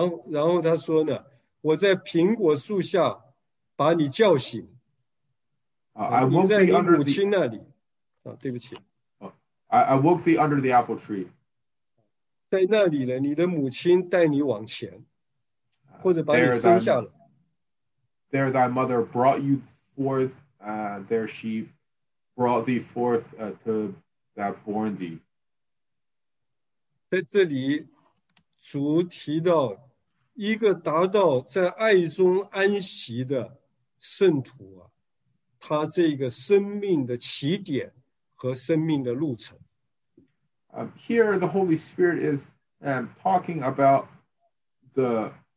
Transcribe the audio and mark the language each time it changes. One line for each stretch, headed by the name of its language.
Chinese: 然后他说呢，我在苹果树下把你叫醒。
English: I woke thee under the
Chinese: 母亲那里。对不起。
English: I woke thee under the apple tree.
Chinese: 在那里呢，你的母亲带你往前，或者把你生下了。
English: There thy mother brought you forth, there she brought thee forth to that born thee.
Chinese: 在这里主提到一个达到在爱中安息的圣徒啊，他这个生命的起点和生命的路程。
English: Here the Holy Spirit is talking about the